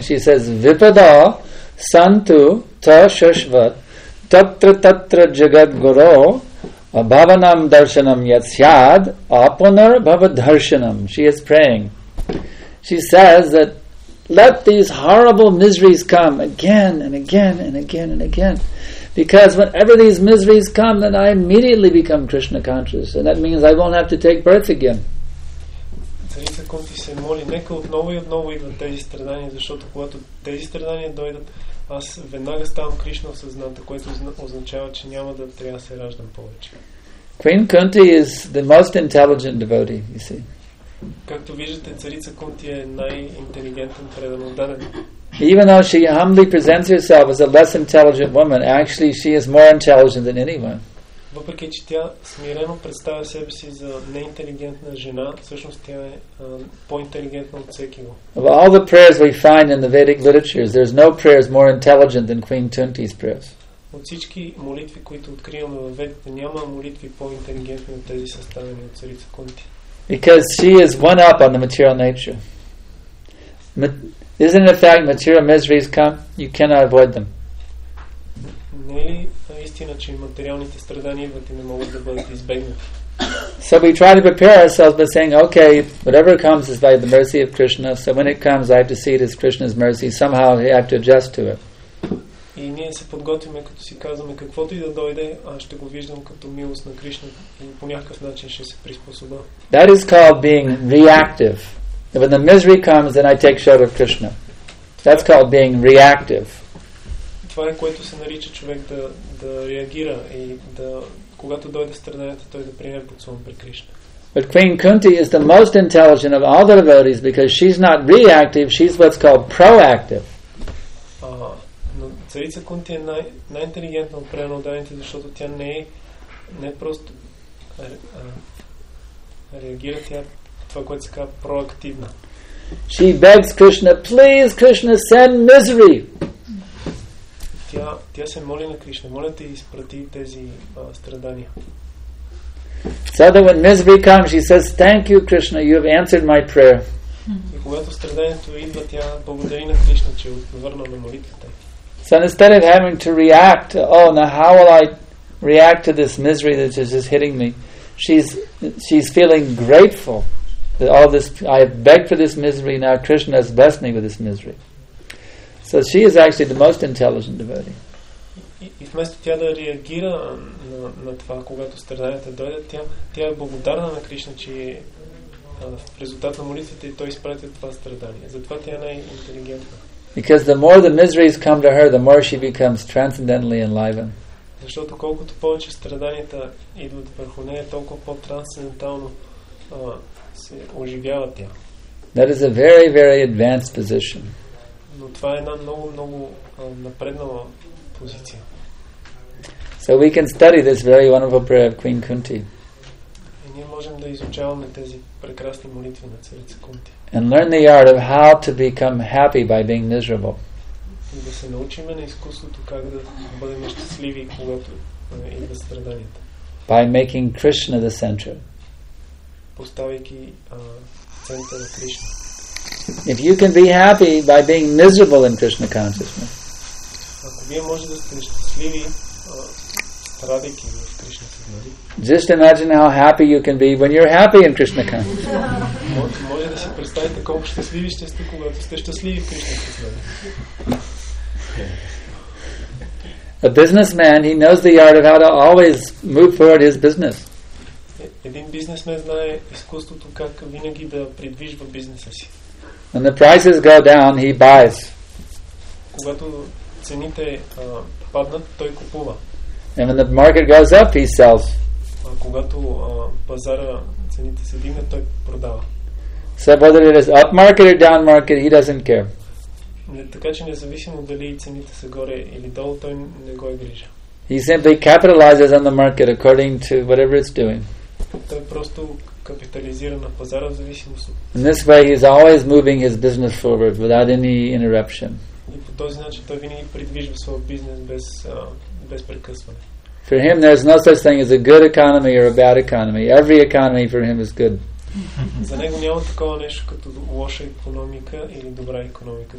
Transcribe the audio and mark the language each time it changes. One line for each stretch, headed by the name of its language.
English: She says,
Sanskrit: Vipada Santu Ta Shashvat Tatra Tatra Jagat Guru Bhavanam Darshanam Yatsyad Apunar Bhavadharshanam.
English: She is praying. She says that let these horrible miseries come again and again and again and again. Because whenever these miseries come, then I immediately become Krishna conscious. And that means I won't have to take birth again.
Bulgarian: Царица Кунти се моли, нека отново и отново идват тези страдания, защото когато тези страдания дойдат, аз веднага ставам Кришна осъзната, което означава, че няма да трябва да се раждам повече.
English: Queen Kunti is the most intelligent devotee, you see.
Bulgarian: Както виждате, царица Кунти е най-интелигентен преданоданен.
English: Even though she humbly presents herself as a less intelligent woman, actually she is more intelligent than anyone.
Bulgarian: Въпреки че тя смирено представя себе си за неинтелигентна жена, всъщност тя е по-интелигентна от всеки.
English: Of all the prayers we find in the Vedic literatures, there's no prayers more intelligent than Queen Kunti's prayers.
Bulgarian: От всички молитви, които откриваме в Ведите, няма молитви по-интелигентни от тези съставени от царица Кунти.
English: Because she is one up on the material nature. Isn't it a fact material miseries come? You cannot avoid them.
Bulgarian: Не ли истина, че материалните страдания идват и не могат да бъдат избегнати?
English: So we try to prepare ourselves by saying, okay, whatever comes is by the mercy of Krishna, so when it comes, I have to see it as Krishna's mercy. Somehow I have to adjust to it.
Bulgarian: И ние се подготвяме, като си казваме, каквото и да дойде, аз ще го виждам като милост на Кришна и по някакъв начин ще се приспособя.
English: That is called being reactive. When the misery comes, then I take shelter of Krishna. That's called being reactive.
Bulgarian: Това е което се нарича човек да реагира и да, когато дойде страданието, той да приеме подслон при Кришна.
English: But Queen Kunti is the most intelligent of all the devotees because she's not reactive, she's what's called proactive.
Bulgarian: Царица Кунти е най-интелигентна от преданите, защото тя не просто реагира, тя това, което се казва проактивна.
English: She begs Krishna, please Krishna, send misery.
Bulgarian: Тя се моли на Кришна, моля те, изпрати тези страдания.
English: So that when misery comes, she says, thank you Krishna, you have answered my prayer.
Bulgarian: И когато страданието идва, тя благодари на Кришна, че отговорна на молитвата.
English: So instead of having to react, oh, now how will I react to this misery that is just hitting me? She's feeling grateful that all this, I have begged for this misery, now Krishna has blessed me with this misery. So she is actually the most intelligent devotee.
Bulgarian: И вместо тя да реагира на това, когато страданията дойдат, тя е благодарна на Кришна, че в резултат на молитвите той изпрати това страдание. Затова тя е най-интелигентна.
English: Because the more the miseries come to her, the more she becomes transcendentally enlivened.
Bulgarian: Защото колкото повече страданията идват върху нея, толкова по-трансцендентално се оживява тя.
English: That is a very, very advanced position.
Bulgarian: Но това е една много, много напреднала позиция.
English: So we can study this very wonderful prayer of Queen Kunti.
Bulgarian: И ние можем да изучаваме тези прекрасни молитви на царица Кунти.
English: And learn the art of how to become happy by being miserable.
Bulgarian: И да се научим на изкуството как да бъдем щастливи, когато има страданията.
English: By making Krishna the center.
Bulgarian: Поставяйки центъра Кришна.
English: If you can be happy by being miserable in Krishna consciousness.
Bulgarian: Ако вие може да сте щастливи, страдайки в Кришна съзнание.
English: Just imagine how happy you can be when you're happy in Krishna consciousness.
Bulgarian: Може да си представите колко щастливи ще сте, когато сте щастливи в Кришна съзнание.
English: A businessman, he knows the art of how to always move forward his business.
Bulgarian: Един бизнесмен знае изкуството как винаги да придвижва бизнеса си.
English: When the prices go down, he buys.
Bulgarian: Когато цените паднат, той купува.
English: And when the market goes up, he sells.
Bulgarian: Когато пазара цените се вдигнат, той продава.
English: So whether it is up market or down market, he doesn't care.
Bulgarian: Така че независимо дали цените са горе или долу, той не го е грижа.
English: He simply capitalizes on the market according to whatever it's doing.
Bulgarian: Той просто капитализира на пазара в зависимост от.
English: In this way he is always moving his business forward without any interruption.
Bulgarian: И по този начин той винаги придвижва своя бизнес без прекъсване.
English: For him there is no such thing as a good economy or a bad economy. Every economy for him is good.
Bulgarian: За него няма такова нещо като лоша икономика или добра икономика.